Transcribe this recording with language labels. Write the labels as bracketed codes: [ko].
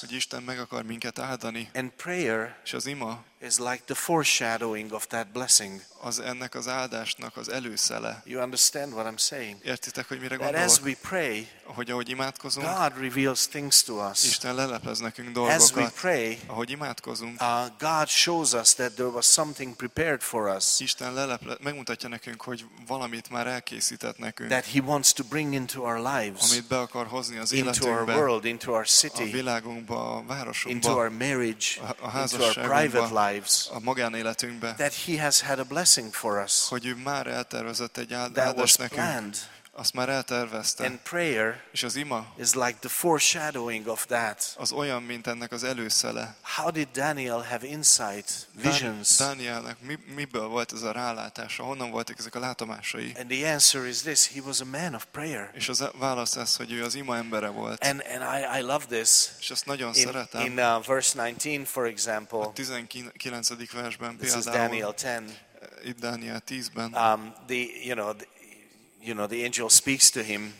[hu] Hogy Isten meg akar minket áldani. [en] And prayer. [hu] És az ima. [en] Is like the foreshadowing of that blessing. [hu] Az ennek az áldásnak az előszele. [en] You understand what I'm saying? [hu] Értitek, hogy mire gondolok? [en] As we pray. [hu] Ahogy imádkozunk. [en] God reveals things to us. [hu] Isten lelepez nekünk dolgokat. [en] As we pray. [hu] Ahogy imádkozunk. [en] God shows us that there was something prepared for us. [hu] Isten megmutatja nekünk, hogy valamit már elkészített nekünk. [en] That he wants to bring into our lives. [hu] Amit be akar hozni az életünkbe. [en] Into our world, into our city. [hu] A világunkba, a városunkba. [en] Into our marriage. [hu] A házasságunkba. [en] Into our private lives. [hu] A magánéletünkbe. [en] That he has had a blessing for us. [hu] Hogy ő már eltervezett egy áldást nekünk. Azt már eltervezte. [en] And prayer [hu] és az ima [en] is like the foreshadowing of that. [hu] Az olyan, mint ennek az előszele. [en] How did Daniel have insight, visions? [hu] Danielnek miből volt ez a rálátása? Honnan voltak ezek a látomásai? [en] And the answer is this: he was a man of prayer. [hu] És az válasz az, hogy ő az ima embere volt. [en] And I love this. [hu] És ezt nagyon szeretem. [en] In verse 19, for example. [hu] A 19. versben [en] this [hu] például. [en] This is Daniel 10. [hu] Itt Daniel 10-ben. [en] The angel speaks to him.